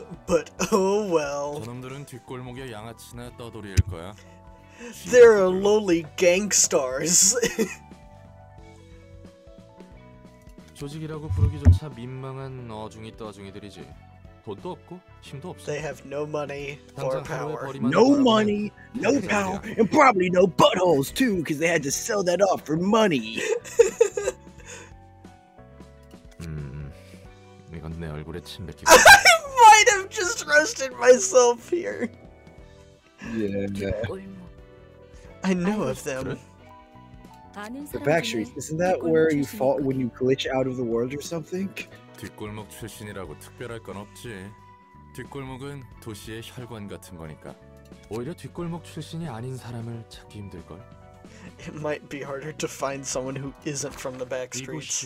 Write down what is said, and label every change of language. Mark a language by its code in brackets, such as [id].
[en] But oh well. [ko] 저놈들은 뒷골목에 양아치나 떠돌이일 거야. [en] They're lowly gangsters. [ko] 조직이라고 부르기조차 민망한 어중이 떠중이들이지. 돈도 없고 힘도 없어. [en] They have no money or power. No money, no power, and probably no buttholes too, because they had to sell that off for money. [ko] 이건 내 얼굴에 침 뱉기. [en] I might have just roasted myself here. Yeah. I know of them. The Backstreet, isn't that where you fought when you glitch out of the world or something? [ko] 뒷골목 출신이라고 특별할 건 없지. 뒷골목은 도시의 혈관 같은 거니까. 오히려 뒷골목 출신이 아닌 사람을 찾기 힘들걸. [en] It might be harder to find someone who isn't from the Backstreets.